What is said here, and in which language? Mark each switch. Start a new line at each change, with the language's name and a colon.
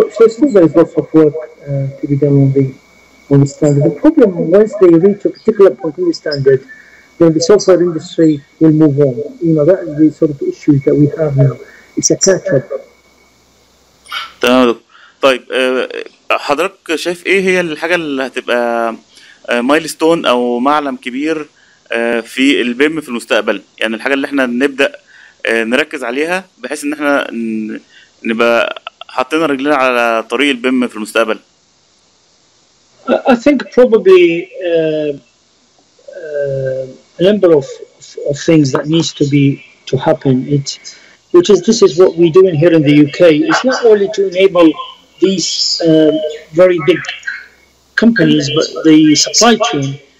English: So still there is lots of work to be done on the standard. The problem, once they reach a particular point in the standard, then the software industry will move on. You know, that is the sort of issue that we have now. It's a catch-up.
Arabic: تمام. طيب حضرتك شايف ايه هي الحاجه اللي هتبقى مايلستون او معلم كبير في البيم في المستقبل، يعني الحاجه اللي احنا نبدا نركز عليها بحيث ان احنا نبقى حاطين رجلينا على طريق البيم في المستقبل؟
English: I think probably a number of things that needs to happen. This is what we're doing here in the UK. It's not only to enable these very big companies, but the supply chain.